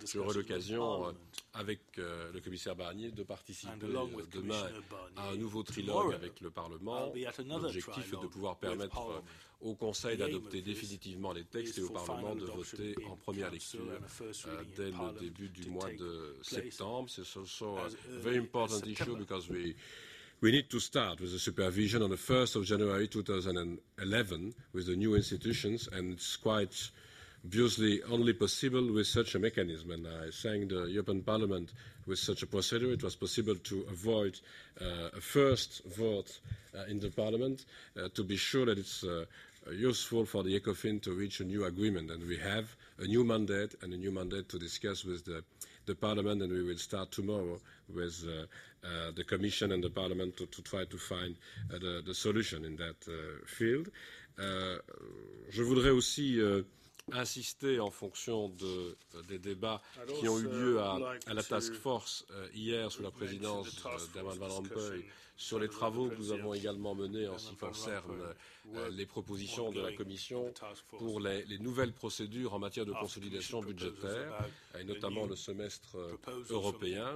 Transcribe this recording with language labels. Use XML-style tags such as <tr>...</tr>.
<fr>J'aurai l'occasion avec le commissaire Barnier de participer demain à un nouveau trilogue avec le Parlement. L'objectif est de pouvoir permettre au Conseil d'adopter définitivement les textes et au Parlement de voter en première lecture dès le début du mois de septembre. C'est un très important</fr> <en>issue because we need to start with the supervision on the 1st of January 2011 with the new institutions, and it's quite obviously only possible with such a mechanism. And I thank the European Parliament with such a procedure. It was possible to avoid a first vote in the Parliament to be sure that it's useful for the Ecofin to reach a new agreement. And we have a new mandate and a new mandate to discuss with the Parliament, and we will start tomorrow with the Commission and the Parliament to try to find the solution in that field.</en> <fr>Je voudrais aussi insisté en fonction des débats qui ont eu lieu à la task force hier sous la présidence d'Herman Van Rompuy sur les travaux que nous avons également menés en ce qui concerne les propositions de la Commission pour les nouvelles procédures en matière de consolidation budgétaire, et notamment le semestre européen.</fr>